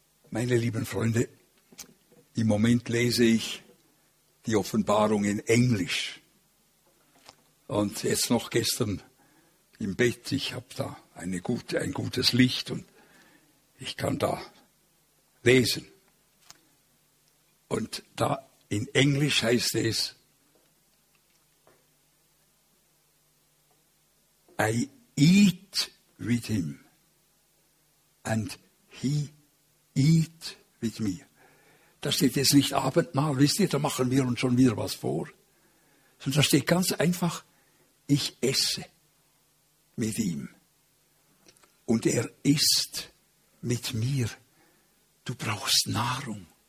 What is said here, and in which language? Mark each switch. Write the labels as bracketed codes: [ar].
[de] Meine lieben Freunde, im Moment lese ich die Offenbarung in Englisch. Und jetzt noch gestern im Bett, ich habe da ein gutes Licht und ich kann da lesen. Und da in Englisch heißt es, [en] I eat with him and he eat with me. [de] Da steht jetzt nicht Abendmahl, wisst ihr, da machen wir uns schon wieder was vor. Sondern da steht ganz einfach, ich esse mit ihm und er isst mit mir. Du brauchst Nahrung.